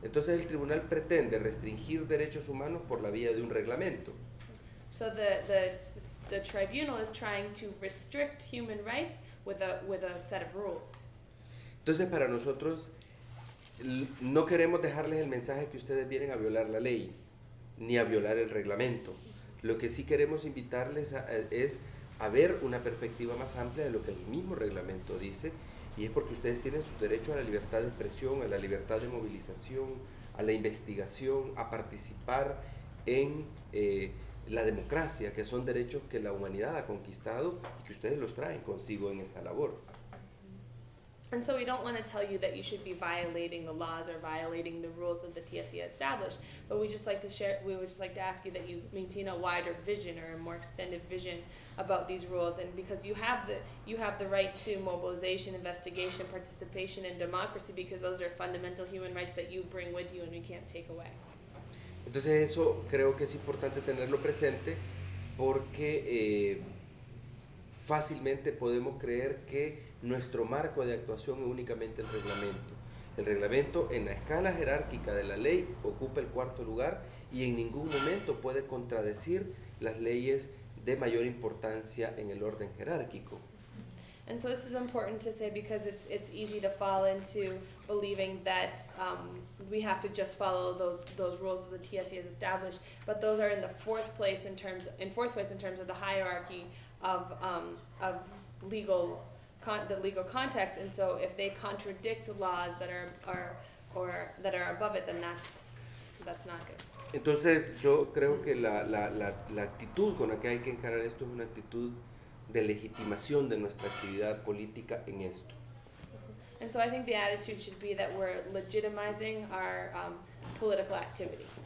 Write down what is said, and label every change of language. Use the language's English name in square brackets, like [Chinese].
[Spanish] Entonces el tribunal pretende restringir derechos humanos por la vía de un reglamento. [English] So the tribunal is trying to restrict human rights with a set of rules. [Spanish] Entonces para nosotros no queremos dejarles el mensaje que ustedes vienen a violar la ley ni a violar el reglamento. Lo que sí queremos invitarles es a ver una perspectiva más amplia de lo que el mismo reglamento dice, y es porque ustedes tienen su derecho a la libertad de expresión, a la libertad de movilización, a la investigación, a participar en la democracia, que son derechos que la humanidad ha conquistado y que ustedes los traen consigo en esta labor. [English] And so we don't want to tell you that you should be violating the laws or violating the rules that the TSC has established, but we just like to share, we would just like to ask you that you maintain a wider vision or a more extended vision about these rules, and because you have the right to mobilization, investigation, participation, and democracy, because those are fundamental human rights that you bring with you and you can't take away. [Spanish] Entonces eso creo que es importante tenerlo presente, porque fácilmente podemos creer que nuestro marco de actuación es únicamente el reglamento. El reglamento en la escala jerárquica de la ley ocupa el cuarto lugar y en ningún momento puede contradecir las leyes de mayor importancia en el orden jerárquico. [English] And so this is important to say because it's easy to fall into believing that we have to just follow those rules that the TSC has established, but those are in fourth place in terms of the hierarchy of the legal context, and so if they contradict laws that are above it, then that's not good. [Spanish] Entonces yo creo que la actitud con la que hay que encarar esto es una actitud de legitimación de nuestra actividad política en esto. [English] And so I think the attitude should be that we're legitimizing our political activity.